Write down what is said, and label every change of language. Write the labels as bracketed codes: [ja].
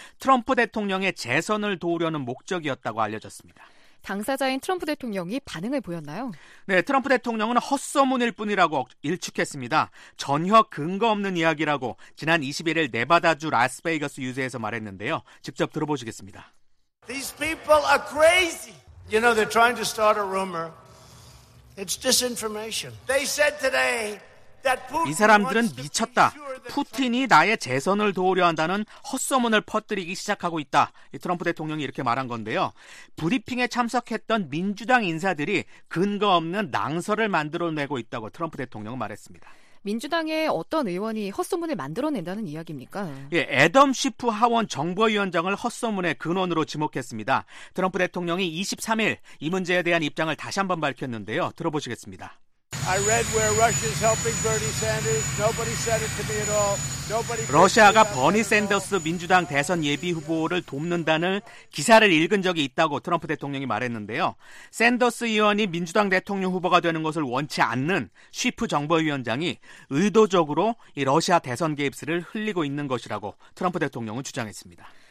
[ko] 트럼프 대통령의 재선을 도우려는 목적이었다고 알려졌습니다. 당사자인 트럼프 대통령이 반응을 보였나요? 네, 트럼프 대통령은 헛소문일 뿐이라고 일축했습니다. 전혀 근거 없는 이야기라고 지난 21일 네바다주 라스베이거스 유세에서 말했는데요. 직접 들어보시겠습니다. [en] These people are crazy. You know, they're trying to start a rumor. It's disinformation. They said today. [ko] 이 사람들은 미쳤다. 푸틴이 나의 재선을 도우려 한다는 헛소문을 퍼뜨리기 시작하고 있다. 트럼프 대통령이 이렇게 말한 건데요. 브리핑에 참석했던 민주당 인사들이 근거 없는 낭설을 만들어내고 있다고 트럼프 대통령은 말했습니다. 민주당의 어떤 의원이 헛소문을 만들어낸다는 이야기입니까? 예, 애덤 시프 하원 정보위원장을 헛소문의 근원으로 지목했습니다. 트럼프 대통령이 23일 이 문제에 대한 입장을 다시 한번 밝혔는데요. 들어보시겠습니다. [en] I read where Russia is helping Bernie Sanders. Nobody said it to me at all. [ko] 러시아가 버니 샌더스 민주당 대선 예비 후보를 돕는다는 기사를 읽은 적이 있다고 트럼프 대통령이 말했는데요. 샌더스 의원이 민주당 대통령 후보가 되는 것을 원치 않는 쉬프 정보위원장이 의도적으로 이 러시아 대선 개입설을 흘리고 있는 것이라고 트럼프 대통령은 주장했습니다.